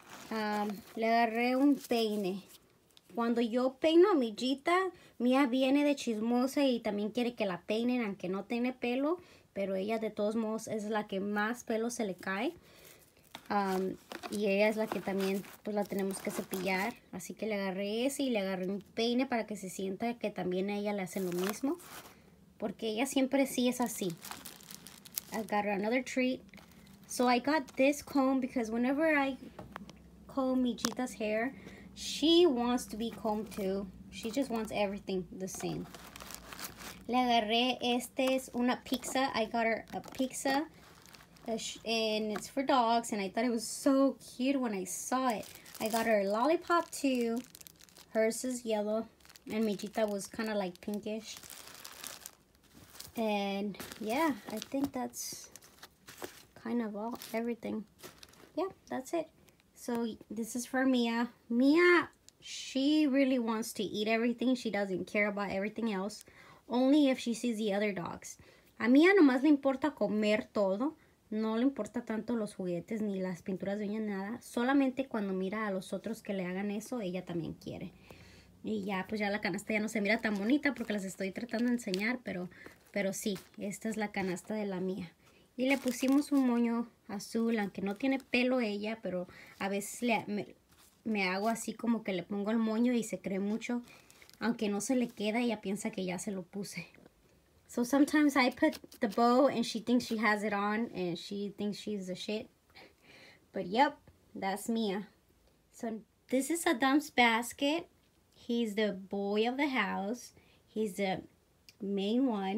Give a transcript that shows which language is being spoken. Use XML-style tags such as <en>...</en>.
<es>Le agarré un peine. Cuando yo peino a Mijita, Mía viene de chismosa y también quiere que la peinen, aunque no tiene pelo, pero ella de todos modos es la que más pelo se le cae. Y ella es la que también pues la tenemos que cepillar. Así que le agarré ese y le agarré un peine para que se sienta que también a ella le hacen lo mismo. Porque ella siempre sí es así.</es> <en>I got her another treat. So I got this comb because whenever I comb Michita's hair, she wants to be combed too. She just wants everything the same.</en> <es>Le agarré, este es una pizza.</es> <en>I got her a pizza. And it's for dogs, and I thought it was so cute when I saw it. I got her a lollipop too. Hers is yellow, and Mijita was kind of like pinkish. And yeah, I think that's kind of all, everything. Yeah, that's it. So this is for Mia. Mia, she really wants to eat everything. She doesn't care about everything else, only if she sees the other dogs.</en> <es>A Mia nomás le importa comer todo. No le importa tanto los juguetes ni las pinturas de uñas, nada. Solamente cuando mira a los otros que le hagan eso, ella también quiere. Y ya, pues ya la canasta ya no se mira tan bonita porque las estoy tratando de enseñar, pero sí, esta es la canasta de la mía. Y le pusimos un moño azul, aunque no tiene pelo ella, pero a veces me hago así como que le pongo el moño y se cree mucho, aunque no se le queda, ella piensa que ya se lo puse.</es> <en>So sometimes I put the bow and she thinks she has it on and she thinks she's a shit. But yep, that's Mia. So this is Adam's basket. He's the boy of the house. He's the main one.</en>